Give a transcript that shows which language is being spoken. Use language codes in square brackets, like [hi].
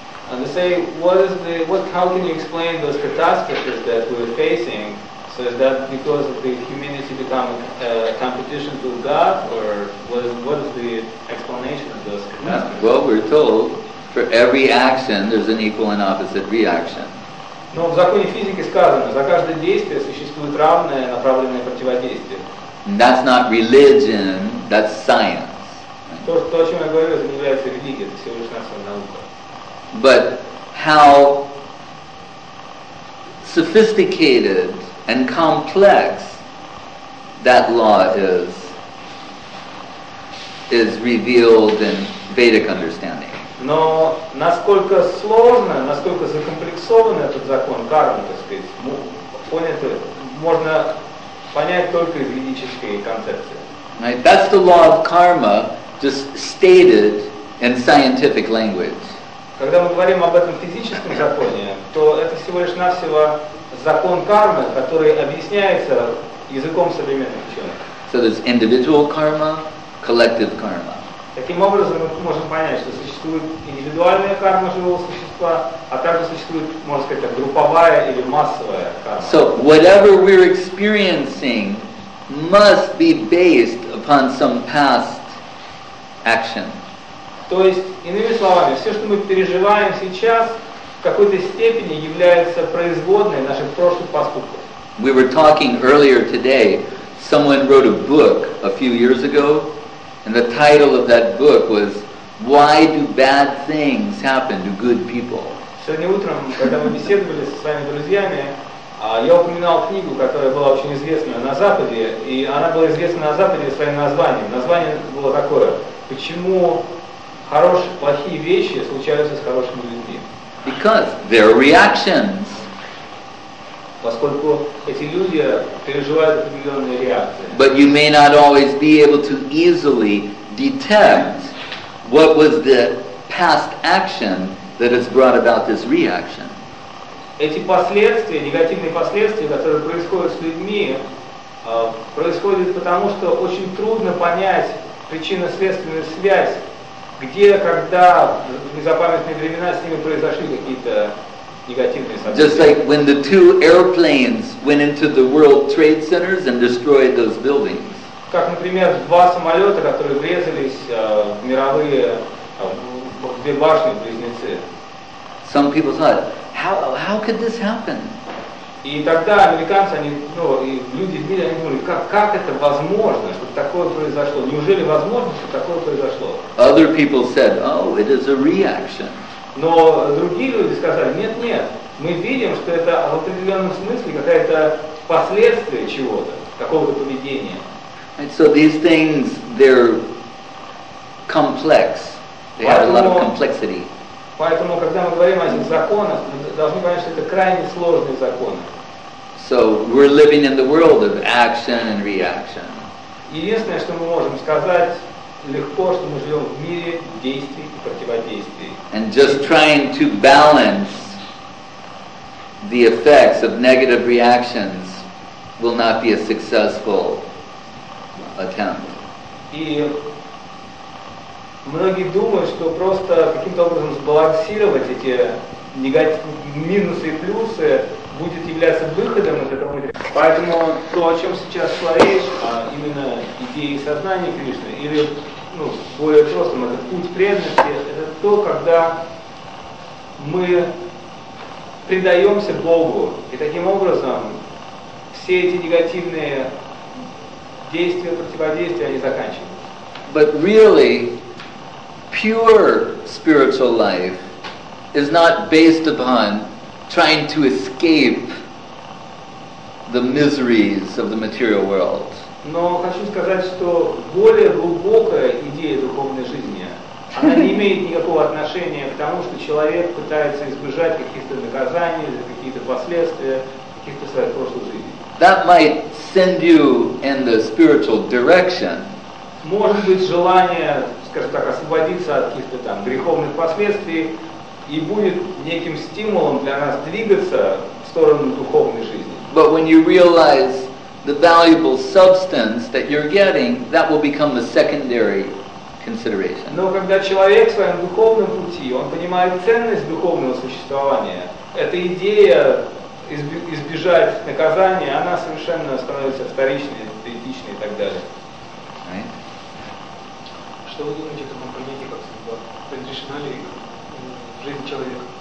[en] And they say, what is the, what, how can you explain those catastrophes that we're facing? So is that because of the humanity become a competition to God, or what is the explanation of those catastrophes? Well, we're told, for every action, there's an equal and opposite reaction. [ru] Но в законе физики сказано, за каждое действие существует равное направленное противодействие. [en] That's not religion, that's science. [ru] То, о чем я говорю, это не является религией, это всего лишь наша наука. [en] But how sophisticated and complex that law is revealed in Vedic understanding. [ru] Но насколько сложно, насколько закомплексован этот закон кармы, так сказать, понятно, можно понять только из ведической концепции. [en] Right, that's the law of karma, just stated in scientific language. [ru] Когда мы говорим об этом физическом законе, то это всего лишь навсего закон кармы, который объясняется языком современных ученых. [en] So there's individual karma, collective karma. [ru] Таким образом, мы можем понять, что существует индивидуальная карма живого существа, а также существует, можно сказать, так, групповая или массовая карма. [en] So whatever we're experiencing must be based upon some past action. [ru] То есть, иными словами, все, что мы переживаем сейчас, в какой-то степени является производной наших прошлых поступков. [en] We were talking earlier today, someone wrote a book a few years ago, and the title of that book was Why Do Bad Things Happen to Good People? [ru] Сегодня утром, когда мы беседовали со своими друзьями, я упоминал книгу, которая была очень известна на Западе, и она была известна на Западе своим названием. Название было такое: Почему хорошие, плохие вещи случаются с хорошими людьми. [en] Because they're reactions. [ru] Поскольку эти люди переживают определенные реакции. [en] But you may not always be able to easily detect what was the past action that has brought about this reaction. [ru] Эти последствия, негативные последствия, которые происходят с людьми, происходят потому, что очень трудно понять причинно-следственную связь. Где, когда в незапамятные времена с ними произошли какие-то негативные события. [en] Just like when the two airplanes went into the World Trade Centers and destroyed those buildings. [ru] Как, например, два самолета, которые врезались в мировые, в две башни-близнецы. [en] Some people thought, how could this happen? [ru] И тогда американцы, они, ну, и люди в мире, они думали, как это возможно, чтобы такое произошло? Неужели возможно, чтобы такое произошло? [en] Other people said, oh, it is a reaction. [ru] Но другие люди сказали, нет, мы видим, что это в определенном смысле какое-то последствие чего-то, какого-то поведения. [en] And so these things, they're complex. They have a lot of complexity. [ru] Поэтому, когда мы говорим о этих законах, мы должны понять, что это крайне сложные законы. [en] So we're living in the world of action and reaction. [ru] Единственное, что мы можем сказать легко, что мы живем в мире действий и противодействий. [en] And just trying to balance the effects of negative reactions will not be a successful attempt. [ru] Многие думают, что просто каким-то образом сбалансировать эти минусы и плюсы будет являться выходом из этого мира. Поэтому то, о чем сейчас шла речь, а именно идеи сознания Кришны, или, ну, более просто, этот путь преданности, это то, когда мы предаемся Богу, и таким образом все эти негативные действия, противодействия, они заканчиваются. [en] But really, pure spiritual life is not based upon trying to escape the miseries of the material world. [ru] Но хочу сказать, что более глубокая идея духовной жизни, она не имеет никакого отношения к тому, что человек пытается избежать каких-то наказаний, каких-то последствий, каких-то своих прошлых жизней. [en] That might send you in the spiritual direction. [ru] Может быть, желание, скажем так, освободиться от каких-то там греховных последствий и будет неким стимулом для нас двигаться в сторону духовной жизни. [en] But when you realize the valuable substance that you're getting, that will become the secondary consideration. [ru] Но когда человек в своем духовном пути, он понимает ценность духовного существования, эта идея избежать наказания, она совершенно становится вторичной, третичной и так далее. [en] Right. [ru] Что вы думаете о таком понятии, как судьба? Предрешена ли жизнь человека?